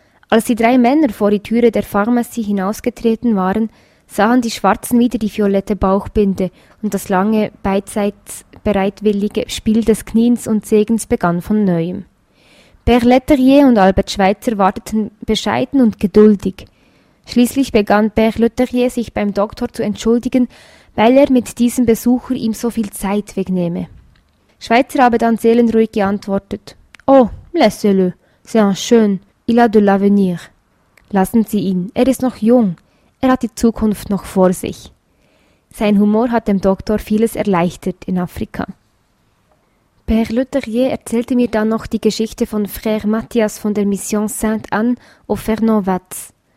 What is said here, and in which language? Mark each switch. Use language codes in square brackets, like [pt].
[de] Als die drei Männer vor die Türe der Pharmacie hinausgetreten waren, sahen die Schwarzen wieder die violette Bauchbinde und das lange, beidseits bereitwillige Spiel des Kniens und Segens begann von Neuem. Père Leterrier und Albert Schweitzer warteten bescheiden und geduldig. Schließlich begann Père Leterrier sich beim Doktor zu entschuldigen, weil er mit diesem Besucher ihm so viel Zeit wegnehme. Schweitzer habe dann seelenruhig geantwortet, [fr] «Oh, laissez-le, c'est un schön, il a de l'avenir. [de] Lassen Sie ihn, er ist noch jung, er hat die Zukunft noch vor sich.» Sein Humor hat dem Doktor vieles erleichtert in Afrika. Père Leterrier erzählte mir dann noch die Geschichte von Frère Matthias von der Mission Sainte-Anne au Fernand-Watz.